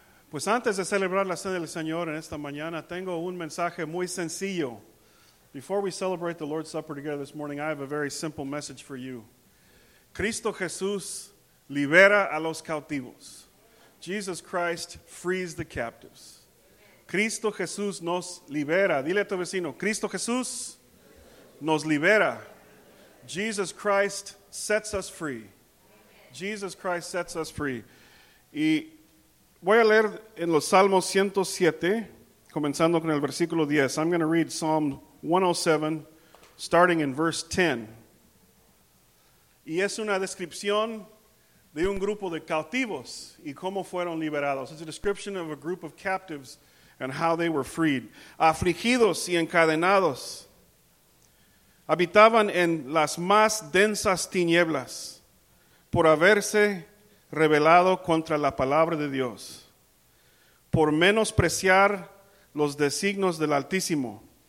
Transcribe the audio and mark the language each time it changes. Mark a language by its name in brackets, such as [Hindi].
[Spanish] Pues antes de celebrar la cena del Señor en esta mañana, tengo un mensaje muy sencillo. [English] Before we celebrate the Lord's Supper together this morning, I have a very simple message for you. [Spanish] Cristo Jesús libera a los cautivos. [English] Jesus Christ frees the captives. [Spanish] Cristo Jesús nos libera. Dile a tu vecino, Cristo Jesús nos libera. [English] Jesus Christ sets us free. Jesus Christ sets us free. [Spanish] Y voy a leer en los Salmos 107, comenzando con el versículo 10. [English] I'm going to read Psalm 107, starting in verse 10. [Spanish] Y es una descripción de un grupo de cautivos y cómo fueron liberados. [English] It's a description of a group of captives and how they were freed. [Spanish] Afligidos y encadenados, habitaban en las más densas tinieblas por haberse rebelado contra la palabra de Dios, por menospreciar los designios del Altísimo.